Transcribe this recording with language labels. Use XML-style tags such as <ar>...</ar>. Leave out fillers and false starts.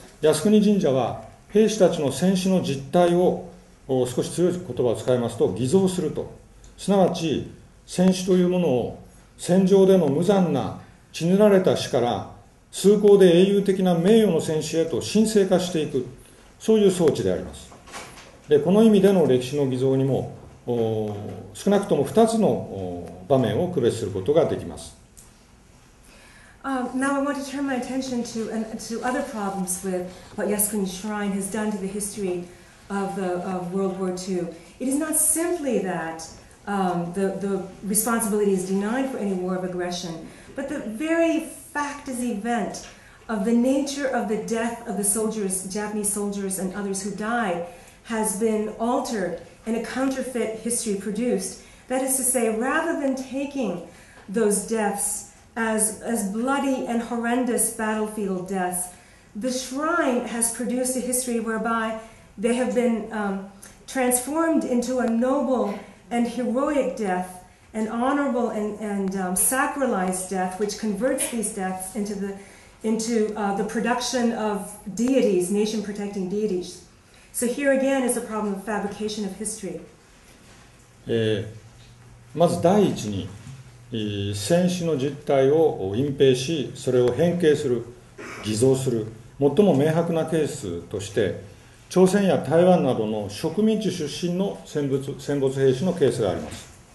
<ja>靖国神社は、兵士たちの戦死の実態を、少し強い言葉を使いますと、偽造すると、すなわち戦死というものを戦場での無残な血塗られた死から、崇高で英雄的な名誉の戦死へと神聖化していく。そういう装置であります。で、この意味での歴史の偽造にも少なくとも2つの場面を区別することができます。</ja> <en>Now I want to turn my attention to other problems with what Yasukuni Shrine has done to the history of World War II. It is not simply that the responsibility is denied for any war of aggression, but the very fact is event of the nature of the death of the soldiers, Japanese soldiers and others who die, has been altered and a counterfeit history produced. That is to say, rather than taking those deaths as bloody and horrendous battlefield deaths, the shrine has produced a history whereby they have been transformed into a noble and heroic death, an honorable and sacralized death, which converts these deaths into the production of deities, nation-protecting deities. So here again is the problem of fabrication of history.</en> <ja>まず第一に、戦死の実態を隠蔽し、それを変形する、偽造する、最も明白なケースとして、朝鮮や台湾などの植民地出身の戦没兵士のケースがあります。</ja>